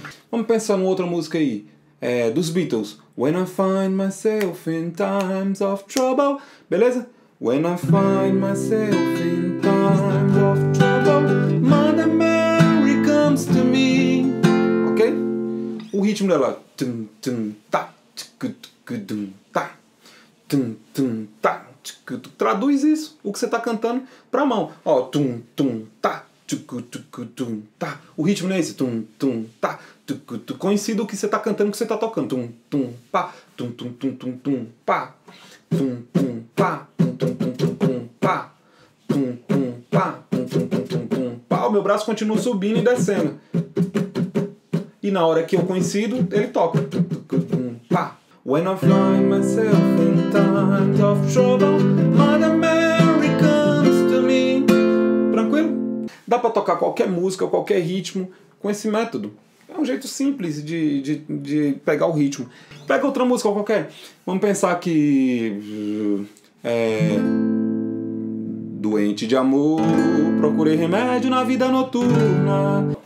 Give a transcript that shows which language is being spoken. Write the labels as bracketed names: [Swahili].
[Portuguese] Vamos pensar numa outra música aí, dos Beatles. [English] When I find myself in times of trouble, beleza? When I find myself in times of trouble, Mother Mary comes to me. [Portuguese] Ok? O ritmo dela. Tum, tum, ta, tchicu, tchicu, dum, ta. Tum, tum, ta, tchicu, tchicu. Traduz isso, o que você tá cantando, pra mão. Ó, tum, tum, ta. Tucu, tucu, tum, tá. O ritmo não é esse? Tum, tum, tá. Tucu, tucu. Coincido o que você tá cantando, o que você tá tocando. Tum, tum, pá. Tum, tum, tum, tum, tum, pá. Tum, tum, pá. Tum, tum, tum, tum, pá. Tum, tum, pá. Tum, tum, tum, tum, tum, tum, tum. meu braço continua subindo e descendo. E na hora que eu coincido, ele toca. Pá. [English] When I find myself in times of trouble, Mother Mary comes to me. [Portuguese] Tranquilo? Dá pra tocar qualquer música, qualquer ritmo com esse método. É um jeito simples de pegar o ritmo. Pega outra música qualquer. Vamos pensar que... É... Doente de amor, procurei remédio na vida noturna.